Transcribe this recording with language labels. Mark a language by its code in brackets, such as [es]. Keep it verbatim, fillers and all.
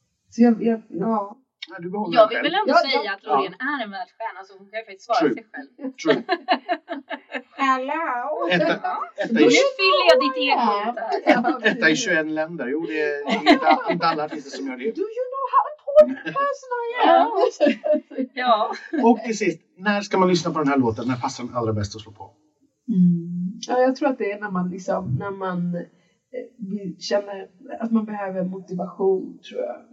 [sv] Så jag... jag ja... Jag vill själv. väl ändå ja, säga ja. att Loreen ja. är en världsstjärna. Alltså hon kan ju faktiskt svara [en] True. [sv] sig själv. [en] True. Hello! [sv] Nu fyller jag ditt ego. Detta är tjugoett länder. Jo, det är inte, inte alla artister som gör det. [en] Do you know how important person I am? [sv] Ja. Och till sist, när ska man lyssna på den här låten? När passar den allra bäst att slå på? Mm. Ja, jag tror att det är när man liksom, när man... Vi känner att man behöver motivation, tror jag.